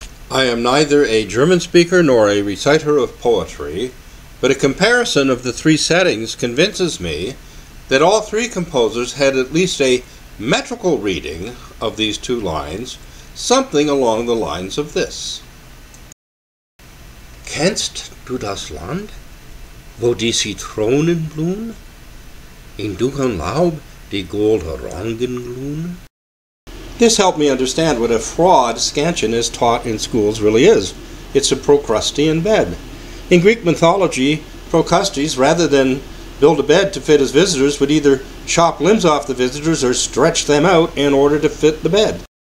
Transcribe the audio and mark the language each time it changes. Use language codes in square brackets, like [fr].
[en] I am neither a German speaker nor a reciter of poetry, but a comparison of the three settings convinces me that all three composers had at least a metrical reading of these two lines, something along the lines of this. [de] Kennst du das Land, wo die Zitronen blühen? In dunklen Laub die gold Orangen glühen? [en] This helped me understand what a fraud scansion is taught in schools really is. It's a Procrustean in bed. In Greek mythology, Procrustes, rather than build a bed to fit his visitors, would either chop limbs off the visitors or stretch them out in order to fit the bed.